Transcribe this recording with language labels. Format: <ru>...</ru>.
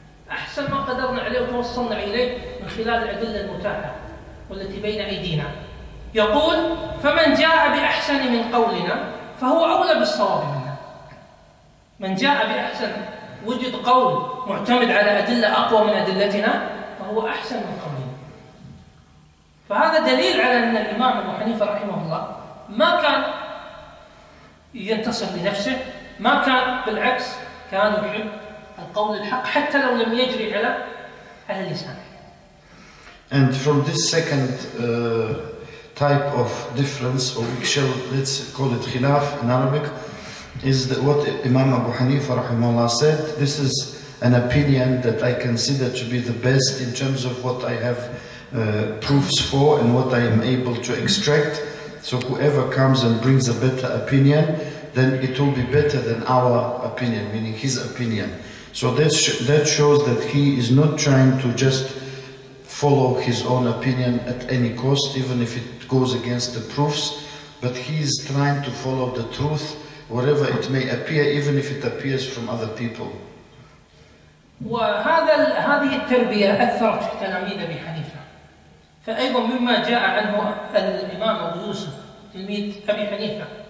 <ar>أحسن ما قدرنا عليه وتوصلنا إليه من خلال الأدلة المتاحة والتي بين أيدينا يقول فمن جاء بأحسن من قولنا فهو أولى بالصواب منا من جاء بأحسن وجد قول معتمد على أدلة أقوى من أدلتنا فهو أحسن من قولنا فهذا دليل على أن الإمام أبو حنيفة رحمه الله ما كان ينتصر لنفسه ما كان بالعكس كان يحب القول الحق حتى لو لم يجري على اللسان.</ar> <en>And from this second type of difference, or we shall, let's call it khilaf in Arabic, is that what Imam Abu Hanifa rahimahullah said. This is an opinion that I consider to be the best in terms of what I have proofs for and what I am able to extract. So whoever comes and brings a better opinion, then it will be better than our opinion, meaning his opinion. So that shows that he is not trying to just follow his own opinion at any cost, even if it goes against the proofs, but he is trying to follow the truth, wherever it may appear, even if it appears from other people.</en> <ar>وهذا هذه التربية أثرت في تلاميذ أبي حنيفة. فأيضا مما جاء عنه الإمام أبو يوسف تلميذ أبي حنيفة.</ar>